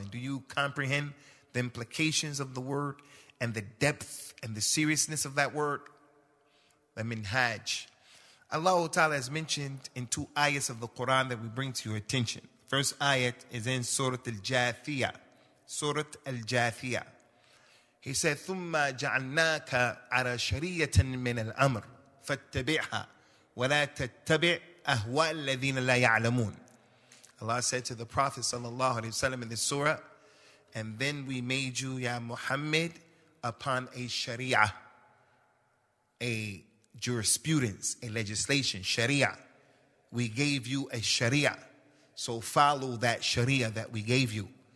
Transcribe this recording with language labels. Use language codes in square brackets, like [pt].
[en] And do you comprehend the implications of the word and the depth and the seriousness of that word? The minhaj. Allah ta'ala has mentioned in two ayats of the Quran that we bring to your attention. First ayat is in Surah Al-Jathiyah. Surah Al-Jathiyah. [ar] He said, ثُمَّ جَعَلْنَاكَ عَرَى شَرِيَّةً مِنَ الْأَمْرِ فَاتَّبِعْهَا وَلَا تَتَّبِعْ أَهْوَى الَّذِينَ لَا يَعْلَمُونَ. [en] Allah said to the Prophet sallallahu alayhi wa sallam in this surah, and then we made you, Ya Muhammad, upon a sharia, a jurisprudence, a legislation, sharia. We gave you a sharia. So follow that sharia that we gave you.